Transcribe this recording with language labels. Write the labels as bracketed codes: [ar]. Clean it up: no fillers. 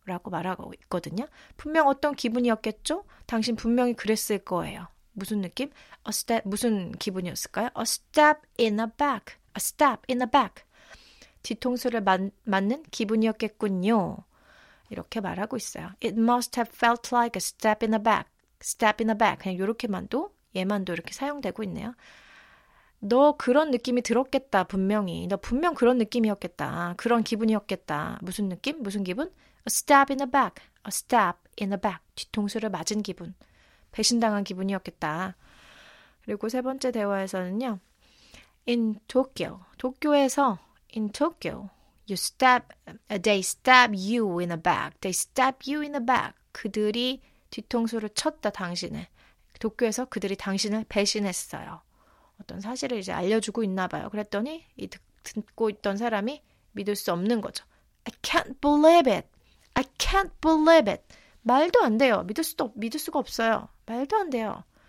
[ko] 라고 말하고 있거든요. 분명 어떤 기분이었겠죠? 당신 분명히 그랬을 거예요. 무슨 느낌? [en] A step, [ko] 무슨 기분이었을까요? [en] A stab in the back. A stab in the back. [ko] 뒤통수를 맞는 기분이었겠군요. 이렇게 말하고 있어요. [en] It must have felt like a stab in the back. Stab in the back. [ko] 그냥 이렇게만도, 얘만도 이렇게 사용되고 있네요. 너 그런 느낌이 들었겠다, 분명히. 너 분명 그런 느낌이었겠다. 그런 기분이었겠다. 무슨 느낌? 무슨 기분? [en] A stab in the back. A stab in the back. [ko] 뒤통수를 맞은 기분. 배신당한 기분이었겠다. 그리고 세 번째 대화에서는요. [en] In Tokyo. [ko] 도쿄에서 [en] In Tokyo. You stab, they stab you in the back. They stab you in the back. [ko] 그들이 뒤통수를 쳤다, 당신을. 도쿄에서 그들이 당신을 배신했어요. 어떤 사실을 이제 알려주고 있나 봐요. 그랬더니 이 듣고 있던 사람이 믿을 수 없는 거죠. [en] I can't believe it. [ko] I can't believe it. 말도 안 돼요. 믿을 수가 없어요. 말도 안 돼요.